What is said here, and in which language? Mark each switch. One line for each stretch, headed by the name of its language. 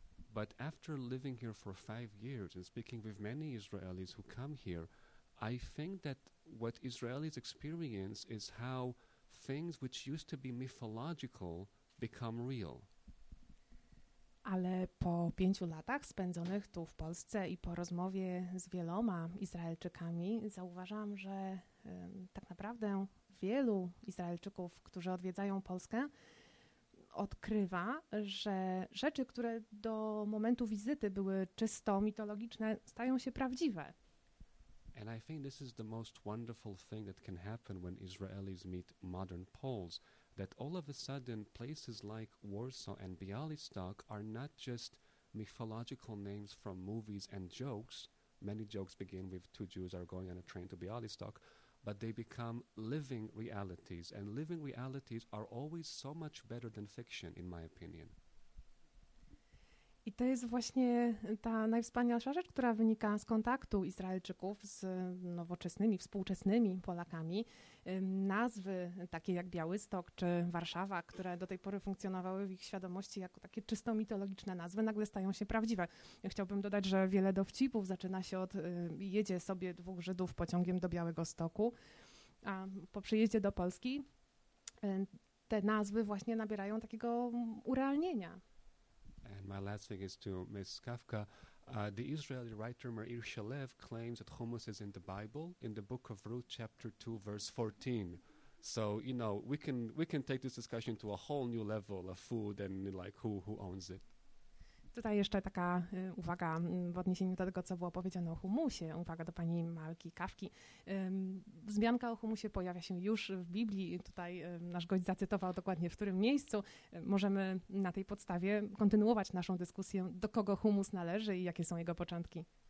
English: But after living here for 5 years and speaking with many Israelis who come here, I think that what Israelis experience is how things which used to be mythological become real.
Polish: Ale po 5 latach spędzonych tu w Polsce i po rozmowie z wieloma Izraelczykami zauważam, że tak naprawdę wielu Izraelczyków, którzy odwiedzają Polskę, odkrywa, że rzeczy, które do momentu wizyty były czysto mitologiczne, stają się prawdziwe.
English: And I think this is the most wonderful thing that can happen when Israelis meet modern Poles. That all of a sudden places like Warsaw and Bialystok are not just mythological names from movies and jokes. Many jokes begin with two Jews are going on a train to Bialystok, but they become living realities. And living realities are always so much better than fiction, in my opinion.
Polish: I to jest właśnie ta najwspanialsza rzecz, która wynika z kontaktu Izraelczyków z nowoczesnymi, współczesnymi Polakami. Nazwy takie jak Białystok czy Warszawa, które do tej pory funkcjonowały w ich świadomości jako takie czysto mitologiczne nazwy, nagle stają się prawdziwe. Ja chciałbym dodać, że wiele dowcipów zaczyna się od jedzie sobie dwóch Żydów pociągiem do Białegostoku, a po przyjeździe do Polski te nazwy właśnie nabierają takiego urealnienia.
English: And my last thing is to Ms. Kafka. The Israeli writer Meir Shalev claims that hummus is in the Bible, in the book of Ruth, chapter 2, verse 14. So, you know, we can take this discussion to a whole new level of food and like who owns it.
Polish: Tutaj jeszcze taka uwaga w odniesieniu do tego, co było powiedziane o humusie. Uwaga do pani Malki Kawki. Wzmianka o humusie pojawia się już w Biblii. Tutaj nasz gość zacytował dokładnie, w którym miejscu. Możemy na tej podstawie kontynuować naszą dyskusję, do kogo humus należy i jakie są jego początki.